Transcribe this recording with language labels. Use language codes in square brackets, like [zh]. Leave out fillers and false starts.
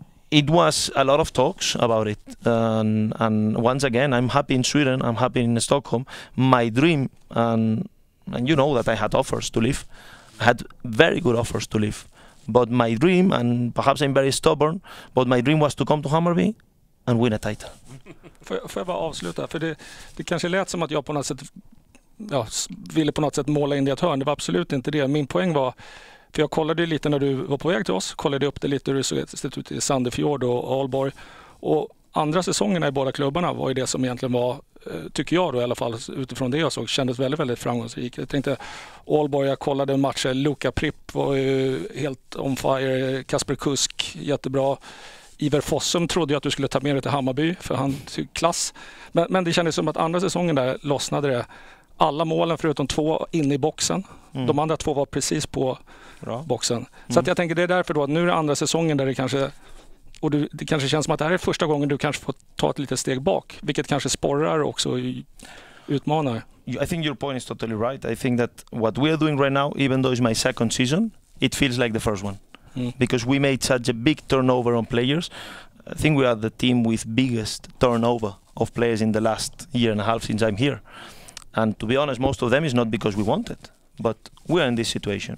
[en] It was a lot of talks about it. And once again, I'm happy in Sweden. I'm happy in Stockholm. My dream, and you know that I had offers to leave. I had very good offers to leave. But my dream, and perhaps I'm very stubborn, but my dream was to come to Hammarby and win a title. [sv] Får jag bara avsluta? För det kanske lät som att jag på något sätt ville på något sätt måla in det hörn. Det var absolut inte det. Min poäng var, för jag kollade lite när du var på väg till oss, kollade upp det lite hur du såg ut i Sandefjord och Aalborg. Och andra säsongerna i båda klubbarna var ju det som egentligen var, tycker jag då i alla fall, utifrån det jag såg, kändes väldigt, väldigt framgångsrik. Jag tänkte, Aalborg, jag kollade en match, Luka Pripp var ju helt [en] on fire, [sv] Kasper Kusk, jättebra. Iver Fossum trodde jag att du skulle ta med dig till Hammarby, för han tyckte klass. Men det kändes som att andra säsongen där lossnade det. Alla målen förutom två inne i boxen. Mm. De andra två var precis på bra boxen. Så att jag tänker, det är därför då att nu är det andra säsongen där det kanske... Och det kanske känns som att det här är första gången du kanske får ta ett litet steg bak, vilket kanske sporrar också och utmanar. [en] I think your point is totally right. I think that what we are doing right now, even though it's my second season, it feels like the first one. Because we made such a big turnover on players. I think we are the team with biggest turnover of players in the last year and a half since I'm here. And to be honest, most of them is not because we want it, but we are in this situation.